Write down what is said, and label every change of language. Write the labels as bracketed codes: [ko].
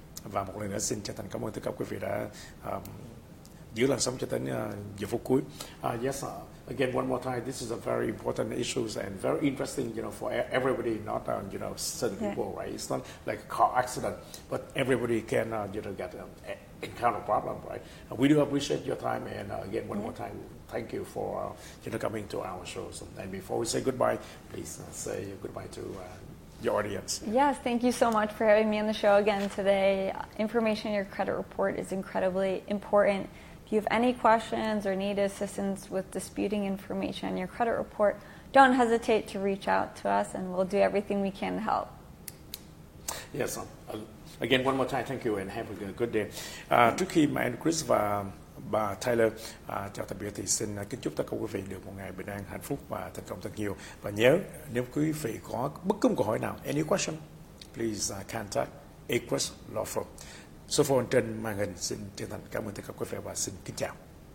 [vi] Và một lần nữa xin chân thành cảm ơn tất cả quý vị đã giữ làn sóng cho đến giờ phút cuối. [en] Again, one more time, this is a very important issue and very interesting, you know, for everybody, not you know, certain people, right? It's not like a car accident, but everybody can you know, get encounter problem, right? We do appreciate your time, and again, one more time, thank you for you know, coming to our show. So, and before we say goodbye, please say goodbye to your audience. Yes, thank you so much for having me on the show again today. Information in your credit report is incredibly important. If you have any questions or need assistance with disputing information in your credit report, don't hesitate to reach out to us, and we'll do everything we can to help. Yes, again, one more time, thank you, and have a good day. [vi] Trước khi mà anh Chris và bà Taylor chào tạm biệt, thì xin kính chúc tất cả quý vị được một ngày bình an, hạnh phúc và thành công thật nhiều. Và nhớ, nếu quý vị có bất cứ câu hỏi nào, [en] any question, please contact Acres Law Firm. [vi] Số phone trên màn hình, xin chân thành cảm ơn tất cả quý vị và xin kính chào.